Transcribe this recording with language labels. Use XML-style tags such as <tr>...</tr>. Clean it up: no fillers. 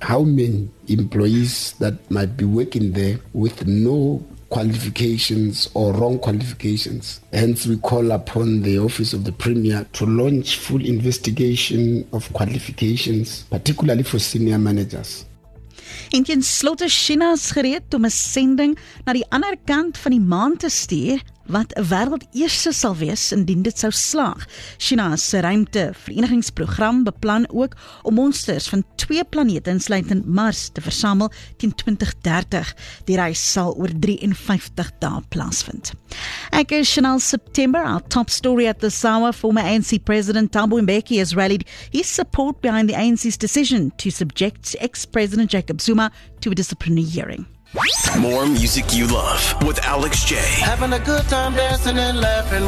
<en>How many employees that might be working there with no qualifications or wrong qualifications. Hence, we call upon the Office of the Premier to launch full investigation of qualifications, particularly for senior managers.</en> <af>En teen slotte, China is gereed om 'n sending na die ander kant van die maan te stuur wat 'n wêreldeerste sal wees indien dit sou slaag. China se ruimteverenigingsprogram beplan ook om monsters van twee planete insluitend Mars te versamel teen 2030. Die reis sal oor 53 dae plaasvind. Ek is</af> <en>Chanel September, our top story at the hour. Former ANC president Thabo Mbeki has rallied his support behind the ANC's decision to subject ex-president Jacob Zuma to a disciplinary hearing. More music you love with Alex J. Having a good time dancing and laughing.</en>